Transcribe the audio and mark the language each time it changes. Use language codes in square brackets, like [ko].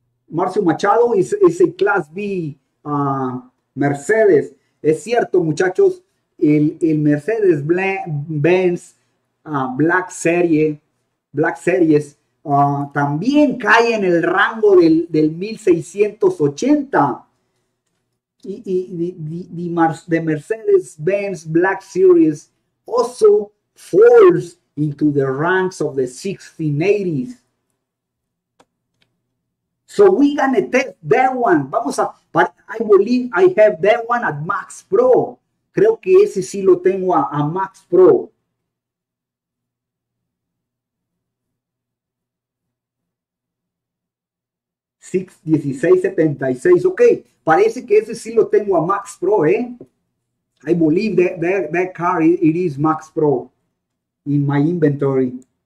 [es] Marcio Machado es el class B Mercedes. Es cierto, muchachos, el Mercedes Benz Black Series, también cae en el rango del 1680. [en] De Mercedes Benz Black Series also falls into the ranks of the 1680s. So we're gonna take that one. [es] Vamos a, [en] but I believe I have that one at Max Pro. [es] Creo que ese sí lo tengo a Max Pro. Six 1676. Ok, parece que ese sí lo tengo a Max Pro, ¿eh? [en] I believe that car it is Max Pro in my inventory.